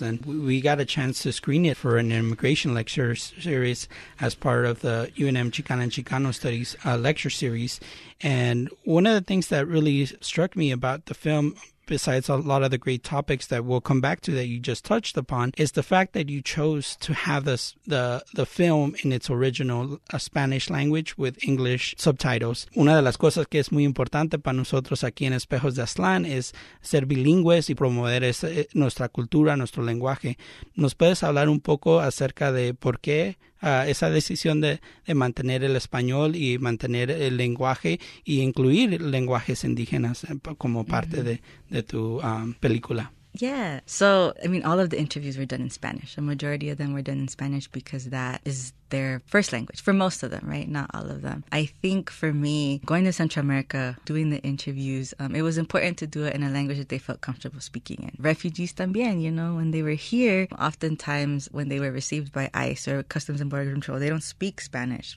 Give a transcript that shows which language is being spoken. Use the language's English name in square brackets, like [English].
[English] And we got a chance to screen it for an immigration lecture series as part of the UNM Chicana and Chicano Studies lecture series. And one of the things that really struck me about the film, besides a lot of the great topics that we'll come back to that you just touched upon, is the fact that you chose to have this, the film in its original Spanish language with English subtitles. [Spanish] Una de las cosas que es muy importante para nosotros aquí en Espejos de Aztlán es ser bilingües y promover nuestra cultura, nuestro lenguaje. ¿Nos puedes hablar un poco acerca de por qué esa decisión de mantener el español y mantener el lenguaje y incluir lenguajes indígenas como parte de tu película? [English] Yeah. So, I mean, all of the interviews were done in Spanish. A majority of them were done in Spanish because that is their first language for most of them, right? Not all of them. I think for me, going to Central America, doing the interviews, it was important to do it in a language that they felt comfortable speaking in. Refugees también, you know, when they were here, oftentimes when they were received by ICE or Customs and Border Control, they don't speak Spanish.